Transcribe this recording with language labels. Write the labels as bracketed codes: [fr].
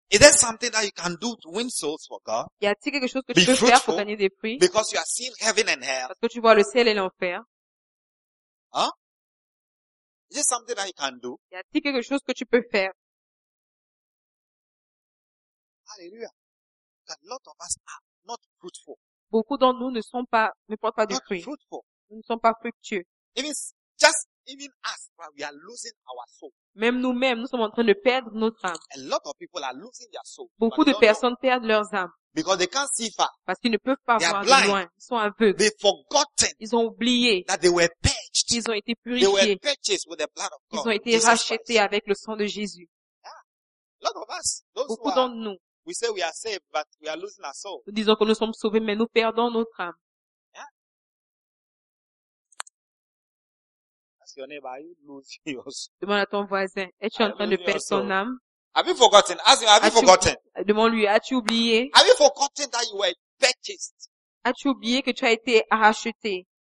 [en] Is there something that you can do to win souls for God? [fr] Y a-t-il quelque chose que tu peux faire pour gagner des prix? [en] Because you are seeing heaven and hell. [fr] Parce que tu vois le ciel et l'enfer. Huh? [en] Is there something that you can do? [fr] Y a-t-il quelque chose que tu peux faire? [en] Hallelujah. A lot of us are not fruitful. [fr] Beaucoup d'entre nous ne portent pas de fruits. [en] Not fruitful. [fr] Nous ne sommes pas fructueux. [en] Even us, we are losing our soul. [fr] Même nous-mêmes, nous sommes en train de perdre notre âme. [en] A lot of people are losing their soul. [fr] Beaucoup de personnes perdent leurs âmes. [en] Because they can't see far. [fr] Parce qu'ils ne peuvent pas [en] they [fr] voir de loin. Ils sont aveugles. [en] They've forgotten. [fr] Ils ont oublié. [en] That they were purged. [fr] Ils ont été purifiés. [en] They were purchased with the blood of God. [fr] Ils ont été rachetés avec le sang de Jésus. [en] Yeah. A lot of us, those [fr] beaucoup d'entre nous. [en] We say we are saved, but we are losing our soul. [fr] Nous disons que nous sommes sauvés, mais nous perdons notre âme. Yeah. [en] Ask your neighbor, are you losing your soul? [fr] Demande à ton voisin, es-tu en train de perdre ton âme? [en] Have you forgotten? Ask him, have you forgotten? [fr] Demande-lui, as-tu oublié? [en] Have you forgotten that you were purchased? [fr] As-tu oublié que tu as été racheté?